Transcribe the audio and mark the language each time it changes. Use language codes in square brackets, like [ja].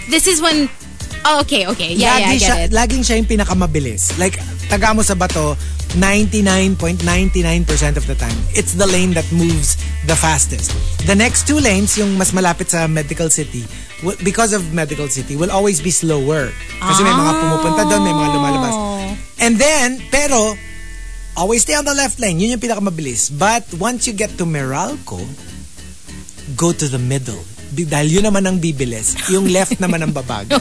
[en] This is when... Oh, okay. Yeah, [tl] lagi [en] yeah, I get [tl] siya, [en] it. [tl] Laging siya yung pinakamabilis. [en] Like, [tl] taga mo sa bato, [en] 99.99% of the time, it's the lane that moves the fastest. The next two lanes, [tl] yung mas malapit sa [en] Medical City, because of Medical City, will always be slower. [tl] Kasi may mga pumupunta doon, may mga lumalabas. [en] And then, [tl] pero, [en] always stay on the left lane. [tl] Yun yung pinakamabilis. [en] But once you get to Meralco, go to the middle. [tl] Dahil yun naman ang bibilis. Yung left naman ang babago.